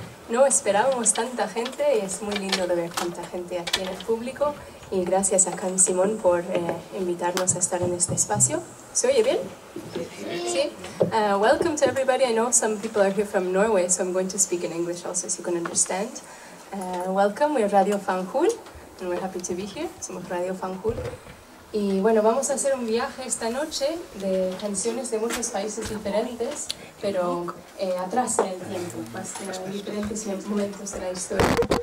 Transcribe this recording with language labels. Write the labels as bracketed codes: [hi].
[es] No esperábamos tanta gente y es muy lindo de ver tanta gente aquí en el público. Y gracias a Can Simón por invitarnos a estar en este espacio. ¿Se oye bien? Sí. [en] Welcome to everybody. I know some people are here from Norway, so I'm going to speak in English also so you can understand. Welcome, we're Radio Fanjul, and we're happy to be here. [es] Somos Radio Fanjul. Y bueno, vamos a hacer un viaje esta noche de canciones de muchos países diferentes, pero atrás en el tiempo, más que en diferentes momentos de la historia.